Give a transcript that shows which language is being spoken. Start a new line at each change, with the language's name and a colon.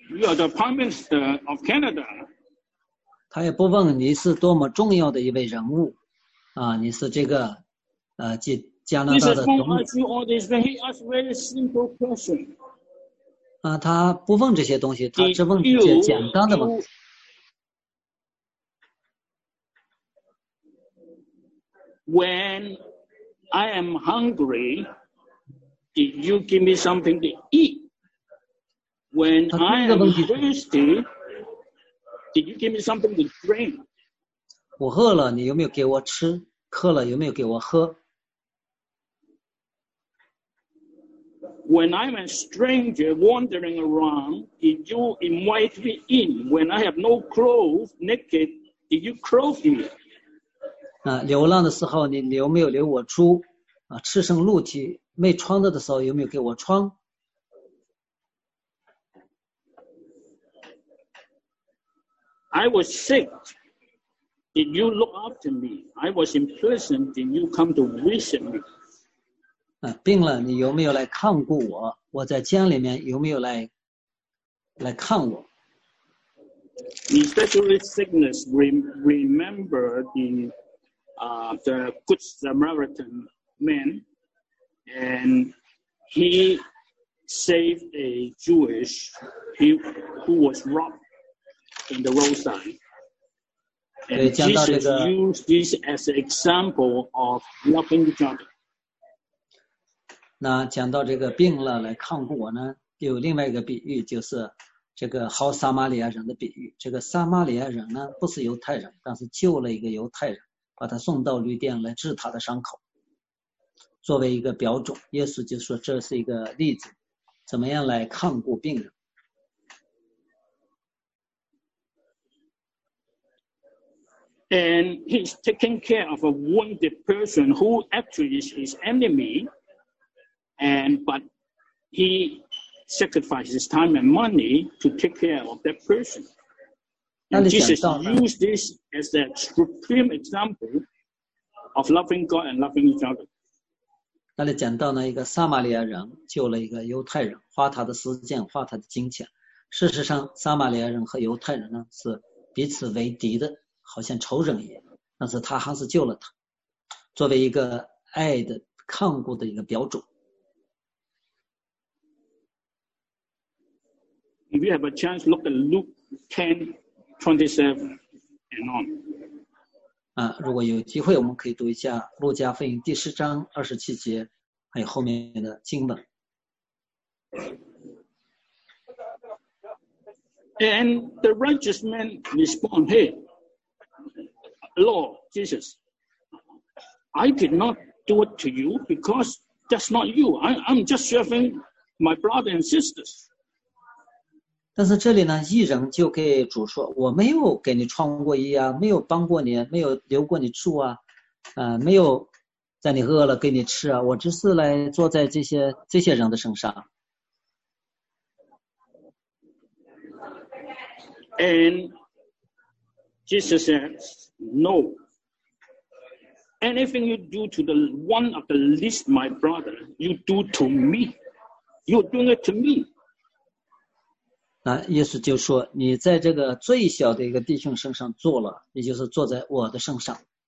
English: You are the Prime Minister of Canada.
Chinese: 他也不问你是多么重要的一位人物，啊，你是这个，加拿大的总理。
English: He asked you all this, but he asked very simple question.
Chinese: 啊，他不问这些东西，他只问这些简单的问题。
English: When I am hungry, did you give me something to eat? When I am thirsty, did you give me something to drink?
Chinese: 我饿了，你有没有给我吃？渴了，有没有给我喝？
English: When I am a stranger wandering around, did you invite me in? When I have no clothes, naked, did you clothe me?
Chinese: 流浪的时候 你有没有留我出、啊、赤身露体没穿的时候有没有给我穿
English: I was sick. Did you look after me? I was in prison. Did you come to visit me?、
Chinese: 病了你有没有来看顾我我在监里面有没有 来看我
English: Especially sickness, remember the Good Samaritan man, and he saved a Jewish who was robbed in the roadside. And Jesus used this as an example of loving each other.
Chinese: 那讲到这个病了来看顾我呢，有另外一个比喻，就是这个好撒玛利亚人的比喻。这个撒玛利亚人呢，不是犹太人，但是救了一个犹太人。把他送到旅店来治他的伤口，作为一个标准，耶稣就说这是一个例子，怎么样来看顾病人。
English: And he's taking care of a wounded person who actually is his enemy, and but he sacrifices his time and money to take care of that person. And Jesus used this as the supreme example of loving God and loving each other.
Chinese: 那里讲到呢，一个撒玛利亚人救了一个犹太人，花他的时间，花他的金钱。事实上，撒玛利亚人和犹太人呢是彼此为敌的，好像仇人一样。但是他还是救了他，作为一个爱的看顾的一个标准。
English: If you have a chance, look at Luke 10:27 and on.
Chinese: 如果有机会，我们可以读一下《路加福音》第十章二十七节，还有后面的经文。
English: And the righteous man respond, "Hey, Lord Jesus, I did not do it to you because that's not you. I'm just serving my brother and sisters."
Chinese: 但是这里呢，义人就给主说：“我没有给你穿过衣啊，没有帮过你，没有留过你住啊，没有在你饿了给你吃啊，我只是来坐在这些人的身上。”
English: And Jesus says, "No. Anything you do to the one of the least, my brother, you do to me. You're doing it to me."
Chinese: 耶稣就说你在这个最小的一个弟兄身上坐了也就是坐在我的身上